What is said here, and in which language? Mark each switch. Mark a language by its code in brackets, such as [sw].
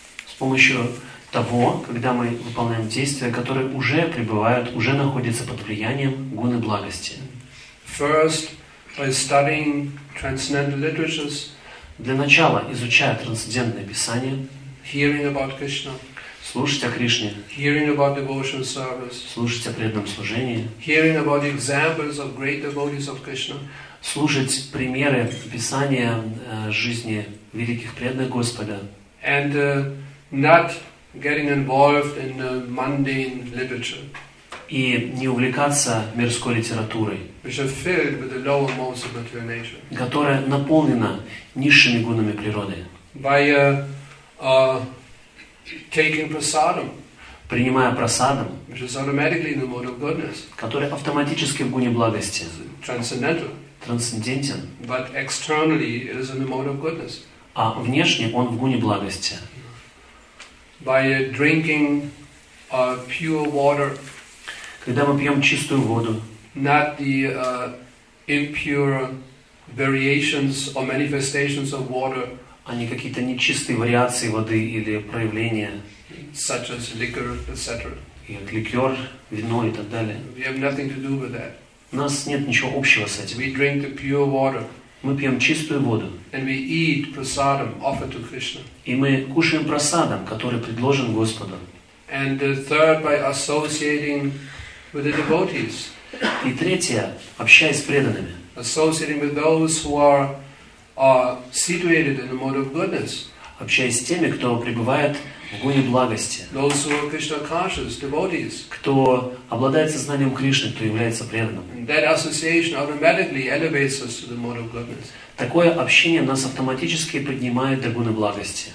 [ru] С помощью того, когда мы выполняем действия, которые уже пребывают, уже находятся под влиянием гуны благости. [en] First, by studying transcendental literatures, [ru] для начала изучая трансцендентное писание, [en] hearing about Krishna, [ru] слушать о Кришне, [en] hearing about devotional service, [ru] слушать о преданном служении, [en] hearing about the examples of great devotees of Krishna, [ru] слушать примеры писания жизни великих преданных Господа, [en] and not getting involved in mundane literature, [ru] и не увлекаться мирской литературой, [en] which are filled with the lower modes of material nature, [ru] которая наполнена низшими гунами природы, [en] by taking prasadam, [ru] принимая прасадам, [en] which is automatically in the mode of goodness, [ru] который автоматически в гуне благости, [en] transcendental, [ru] трансцендентен, [en] but externally it is in the mode of goodness, [ru] а внешне он в гуне благости. [en] By drinking pure water, [ru] когда мы пьем чистую воду, [en] not the impure variations or manifestations of water, [ru] а не какие-то нечистые вариации воды или проявления, [en] such as liquor, etc. [ru] Как ликер, вино и так далее. [en] We have nothing to do with that. [ru] У нас нет ничего общего с этим. [en] We drink the pure water. [ru] Мы пьем чистую воду. [en] And we eat prasadam offered to Krishna. [ru] И мы кушаем прасадам, который предложен Господу. [en] And third, by associating with the devotees. [ru] И третье, общаясь с преданными. [en] Associating with those who are situated in the mode of goodness. [ru] Общаясь с теми, кто пребывает в гуне благости. [en] Those who are Krishna conscious devotees. [ru] Кто обладает сознанием Кришны, кто является преданным. [en] That association automatically elevates us to the mode of goodness. [ru] Такое общение нас автоматически поднимает до гуны благости.